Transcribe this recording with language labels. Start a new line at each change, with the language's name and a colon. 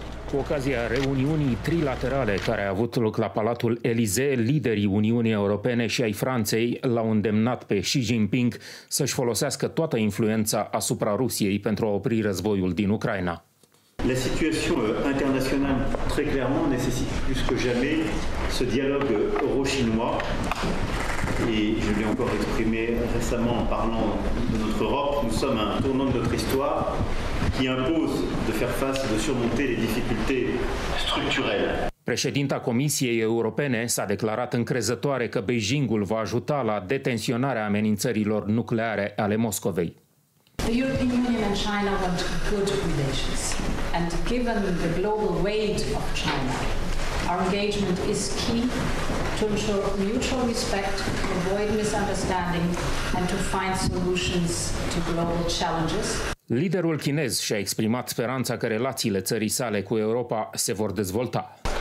Romanian: Cu ocazia reuniunii trilaterale care a avut loc la Palatul Élysée, liderii Uniunii Europene și ai Franței l-au îndemnat pe Xi Jinping să-și folosească toată influența asupra Rusiei pentru a opri războiul din Ucraina.
French: La situation internationale très clairement nécessite plus que jamais ce dialogue euro-chinois et je l'ai encore exprimé récemment en parlant de notre Europe. Nous sommes à un tournant de notre histoire qui impose de faire face et de surmonter les difficultés structurelles.
Romanian: Președinta Comisiei Europene s-a declarat încrezătoare că Beijingul va ajuta la detensionarea amenințărilor nucleare ale Moscovei.
English: The European Union and China want good relations. And given the global weight of China, our engagement is key to ensure mutual respect, to avoid misunderstanding and to find solutions to global challenges.
Romanian: Liderul chinez și-a exprimat speranța că relațiile țării sale cu Europa se vor dezvolta.